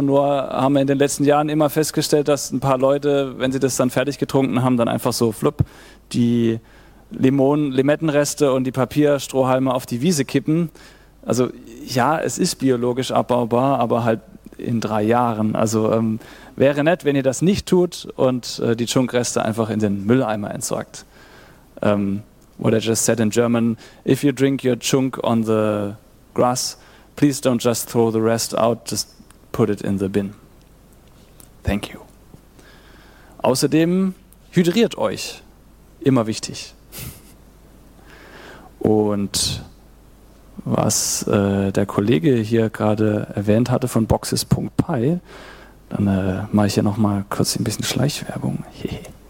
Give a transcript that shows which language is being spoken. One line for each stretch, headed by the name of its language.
German: Nur haben wir in den letzten Jahren immer festgestellt, dass ein paar Leute, wenn sie das dann fertig getrunken haben, dann einfach so flupp die Limettenreste und die Papierstrohhalme auf die Wiese kippen. Also ja, es ist biologisch abbaubar, aber halt in 3 Jahren. Also wäre nett, wenn ihr das nicht tut und die Chunkreste einfach in den Mülleimer entsorgt.
English: What I just said in German, if you drink your Chunk on the grass, please don't just throw the rest out, just put it in the bin. Thank you.
German: Außerdem, hydriert euch. Immer wichtig. Und was der Kollege hier gerade erwähnt hatte von boxes.py, dann mache ich hier nochmal kurz ein bisschen Schleichwerbung. Hehe.